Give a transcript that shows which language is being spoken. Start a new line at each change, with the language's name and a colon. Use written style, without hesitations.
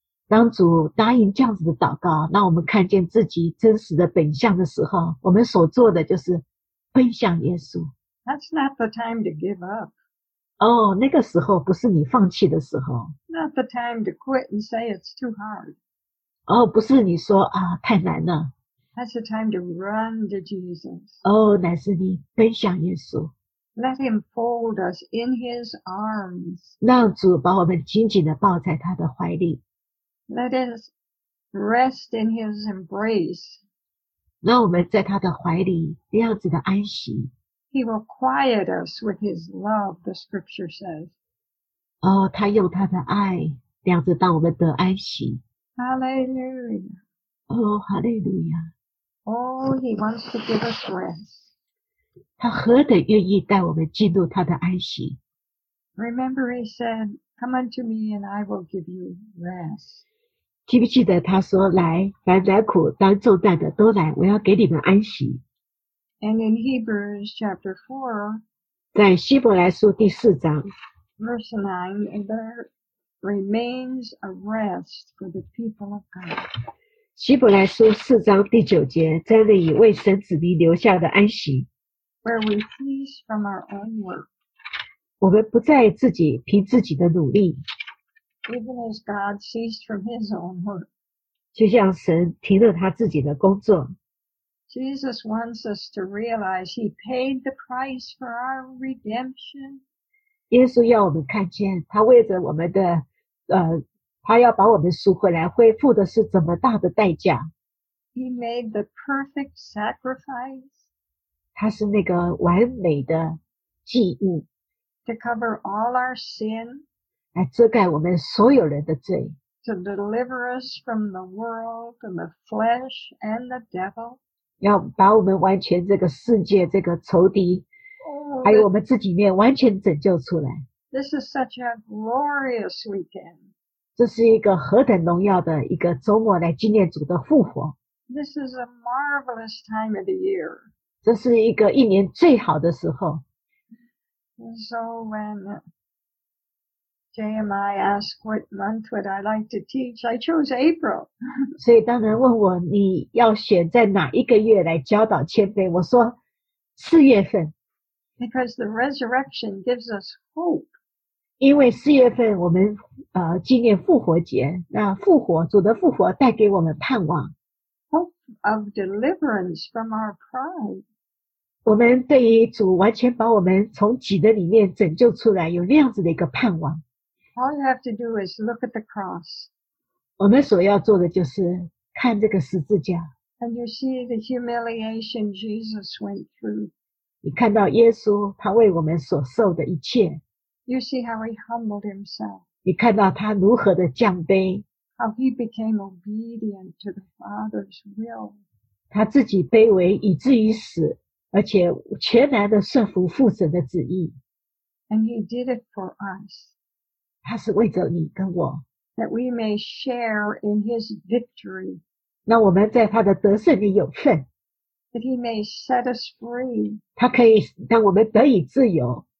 Chinese: 当主答应这样子的祷告让我们看见自己真实的本相的时候我们所做的就是奔向耶稣。
English: That's not the time to give up.
Chinese: 那个时候不是你放弃的时候。
English: Not the time to quit and say it's too hard.
Chinese: 不是你说啊太难了。
English: That's the time to run to Jesus.
Chinese: 乃是你奔向耶稣。
English: Let him fold us in his arms.
Chinese: 让主把我们紧紧地抱在他的怀里。
English: Let us rest in his embrace.
Chinese: 让我们在他的怀里那样子的安息。
English: He will quiet us with his love, the scripture says.
Chinese: 他用他的爱量着到我们得安息。
English: Hallelujah. Hallelujah. He wants to give us rest.
Chinese: 他何等愿意带我们进入他的安息。
English: Remember he said, come unto me and I will give you rest.
Chinese: 记不记得他说来凡劳苦当重担的都来我要给你们安息。
English: And in Hebrews chapter 4,
Chinese: 在希伯来书第四章
English: verse 9, there remains a rest for the people of God.
Chinese: 希伯来书四章第九节，在那里为神子民留下的安息。
English: Where we cease from our own work.
Chinese: 我们不再自己凭自己的努力。
English: Even as God ceased from his own work.
Chinese: 就像神停了他自己的工作。
English: Jesus wants us to realize he paid the price for our redemption.
Chinese: 耶稣要我们看见他为着我们的他要把我们赎回来恢复的是怎么大的代价。
English: He made the perfect sacrifice.
Chinese: 他是那个完美的祭物。
English: To cover all our sin.
Chinese: 来遮盖我们所有人的罪。
English: To deliver us from the world and the flesh and the devil.
Chinese: 要把我们完全这个世界这个仇敌还有我们自己面完全拯救出来。
English: This is such a glorious weekend.
Chinese: 这是一个何等荣耀的一个周末来纪念主的复活。
English: This is a marvelous time of the year.
Chinese: 这是一个一年最好的时候。
English: So when JMI asked what month would I like to teach, I chose April.
Chinese: 所以当人问我你要选在哪一个月来教导谦卑我说四月份。
English: Because the resurrection gives us hope.
Chinese: 因为四月份我们纪念复活节那复活主的复活带给我们盼望。
English: Hope of deliverance from our pride.
Chinese: 我们对于主完全把我们从己的里面拯救出来有那样子的一个盼望。
English: All you have to do is look at the cross.
Chinese: 我们所要做的就是看这个十字架。
English: And you see the humiliation Jesus went through.
Chinese: 你看到耶稣他为我们所受的一切。
English: You see how he humbled himself.
Chinese: 你看到他如何的降卑。
English: How he became obedient to the Father's will.
Chinese: 他自己卑微以至于死。而且全然的顺服父神的旨意。
English: And he did it for us.
Chinese: 他是为着你跟我。
English: That we may share in his victory.
Chinese: 让我们在他的得胜里有份。
English: That he may set us free.
Chinese: 他可以让我们得以自由。